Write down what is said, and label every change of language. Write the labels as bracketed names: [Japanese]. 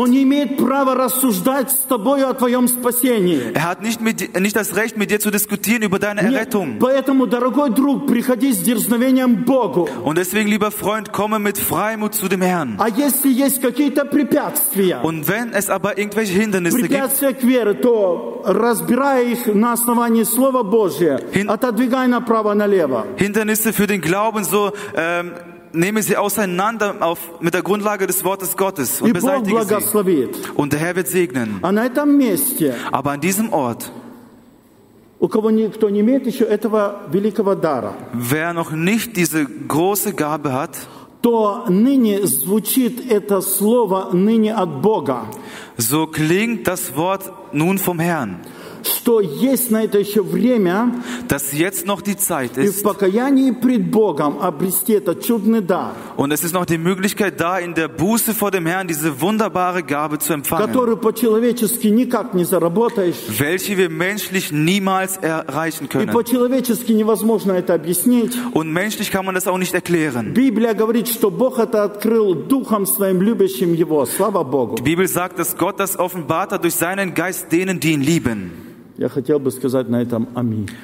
[German] Er hat nicht das Recht, mit dir zu diskutieren über deine Errettung. Und deswegen, lieber Freund, komme mit Freimut zu dem Herrn. Und wenn es aber irgendwelche Hindernisse gibt, [Russian] препятствия к вере, то разбирая их на основании Слова Божия, отодвигай направо, налево. [German] Hindernisse für den Glauben, so nehme sie auseinander auf, mit der Grundlage des Wortes Gottes und beseitige sie. Und der Herr wird segnen. Aber an diesem Ort, wer noch nicht diese große Gabe hat, so klingt das Wort nun vom Herrn, [Russian] что есть на это еще время, [German] das jetzt noch die Zeit ist, [Russian] и в покаянии пред Богом обрести этот чудный дар, [German] und es ist noch die Möglichkeit da, in der Buße vor dem Herrn diese wunderbare Gabe zu empfangen, [Russian] которую по-человечески никак не заработаешь, [German] welche wir menschlich niemals erreichen können, [Russian] и по-человечески невозможно это объяснить, [German] und menschlich kann man das auch nicht erklären. [Russian] Библия говорит, что Бог это открыл духом своим любящим его, слава Богу. [German] Die Bibel sagt, dass Gott das offenbart hat durch seinen Geist denen, die ihn lieben. [Russian] Я хотел бы сказать на этом аминь.